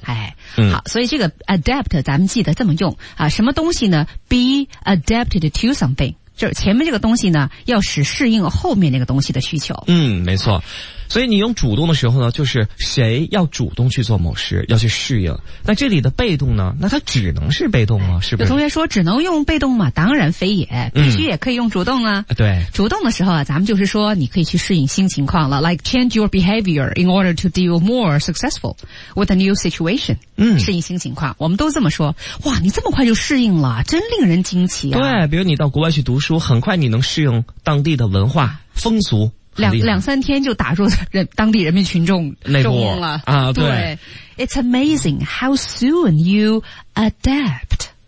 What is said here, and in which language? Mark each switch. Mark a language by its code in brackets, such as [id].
[zh] 哎，好，所以这个 adapt 咱们记得这么用啊，什么东西呢 ？ [en] Be adapted to something， [zh] 就是前面这个东西呢，要使适应后面那个东西的需求。嗯，没错。所以你用主动的时候呢，就是谁要主动去做某事，要去适应。那这里的被动呢，那它只能是被动吗？是不是？有同学说只能用被动吗？当然非也，必须也可以用主动啊。对，主动的时候啊，咱们就是说你可以去适应新情况了 ， [en] like change your behavior in order to deal more successful with a new situation。 [zh] 嗯，适应新情况，我们都这么说。哇，你这么快就适应了，真令人惊奇啊！对，比如你到国外去读书，很快你能适应当地的文化风俗。两三天就打入人当地人民群众中了啊！对 [en] ，It's amazing how soon you adapt。